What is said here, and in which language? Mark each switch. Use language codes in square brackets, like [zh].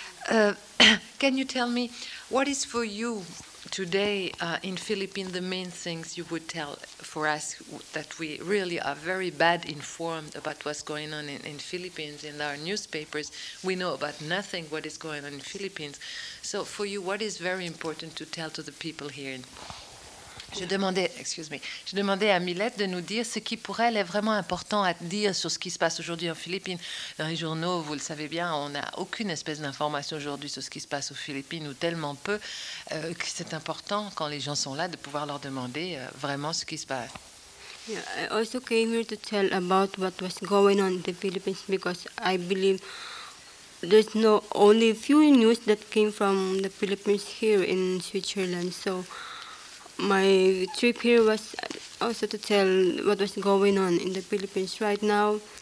[en] Can you tell me what is for you today in Philippines the main things you would tell for us that we really are very bad informed about what's going on in Philippines in our newspapers? We know about nothing what is going on in Philippines. So for you, what is very important to tell to the people here? [fr] Je demandais à Milette de nous dire ce qui pour elle est vraiment important à dire sur ce qui se passe aujourd'hui en Philippines. Dans les journaux, vous le savez bien, on n'a aucune espèce d'information aujourd'hui sur ce qui se passe aux Philippines, ou tellement peu, que c'est important quand les gens sont là de pouvoir leur demander vraiment ce qui se passe. [en] Yeah, I also came here to tell about what was going on in the Philippines because I believe there's no only few news that came from the Philippines here in Switzerland. So my trip here was also to tell what was going on in the Philippines right now.